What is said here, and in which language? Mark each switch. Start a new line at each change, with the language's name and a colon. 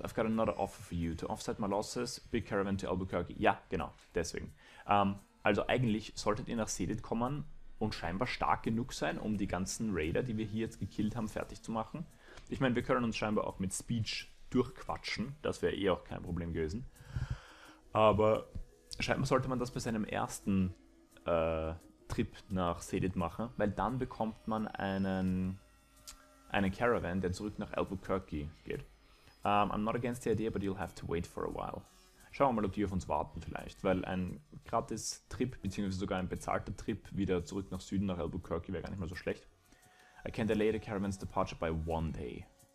English: I've got another offer for you to offset my losses. Big Caravan to Albuquerque.
German: Ja, genau, deswegen. Also eigentlich solltet ihr nach Sedit kommen und scheinbar stark genug sein, um die ganzen Raider, die wir hier jetzt gekillt haben, fertig zu machen. Ich meine, wir können uns scheinbar auch mit Speech durchquatschen. Das wäre eh auch kein Problem gewesen. Aber scheinbar sollte man das bei seinem ersten Trip nach Sedit machen, weil dann bekommt man einen Caravan, der zurück nach Albuquerque geht.
English: I'm not against the idea, but you'll have to wait for a while.
German: Schauen wir mal, ob die auf uns warten vielleicht, weil ein gratis Trip, beziehungsweise sogar ein bezahlter Trip wieder zurück nach Süden, nach Albuquerque, wäre gar nicht mal so schlecht.
English: I can delay the caravan's departure by one day.